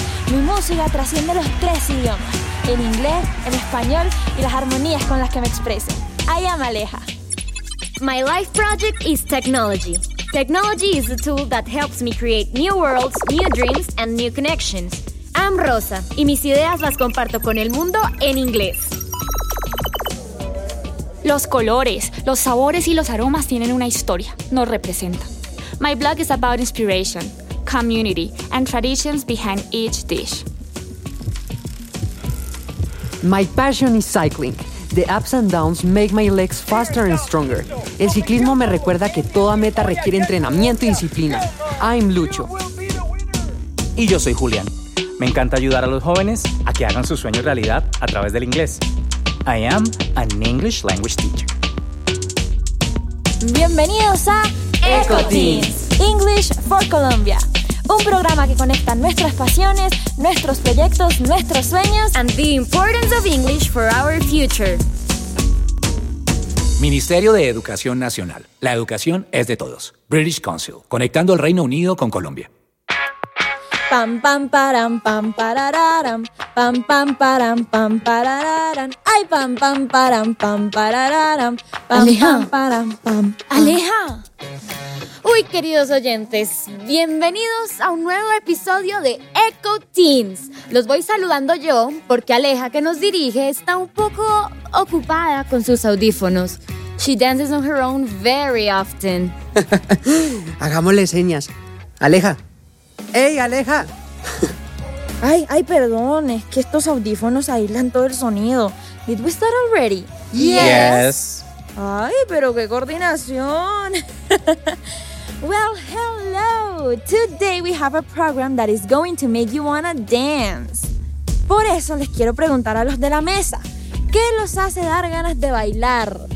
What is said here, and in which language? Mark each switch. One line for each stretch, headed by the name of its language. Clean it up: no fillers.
Spanish: Mi música trasciende los tres idiomas, en inglés, en español y las armonías con las que me expreso.
English: I am Aleja. My life project is technology. Technology is the tool that helps me create new worlds, new dreams, and new connections. I'm Rosa,
Spanish: y mis ideas las comparto con el mundo en inglés. Los colores, los sabores y los aromas tienen una historia, nos representan.
English: My blog is about inspiration, community, and traditions behind each dish. My passion is cycling. The ups and downs make my legs faster and stronger.
Spanish: El ciclismo me recuerda que toda meta requiere entrenamiento y disciplina.
English: I'm Lucho.
Spanish: Y yo soy Julián. Me encanta ayudar a los jóvenes a que hagan sus sueños realidad a través del inglés.
English: I am an English language teacher.
Spanish: Bienvenidos a EcoTeens, English for Colombia, un programa que conecta nuestras pasiones, nuestros proyectos, nuestros sueños
English: and the importance of English for our future.
Spanish: Ministerio de Educación Nacional. La educación es de todos. British Council, conectando el Reino Unido con Colombia. Pam pam param pam parararam pam pam param pam parararam ay pam pam param pam parararam pam pam param pam Aleja. Uy, queridos oyentes, bienvenidos a un nuevo episodio de EcoTeens. Los voy saludando yo porque Aleja, que nos dirige, está un poco ocupada con sus audífonos.
English: She dances on her own very often.
Spanish: Hagámosle señas. Aleja. ¡Ey, Aleja! Ay, perdón, es que estos audífonos aíslan todo el sonido.
English: ¿Did we start already? Yes.
Spanish: ¡Ay, pero qué coordinación!
English: Well, hello! Today we have a program that is going to make you wanna dance.
Spanish: Por eso les quiero preguntar a los de la mesa, ¿qué los hace dar ganas de bailar?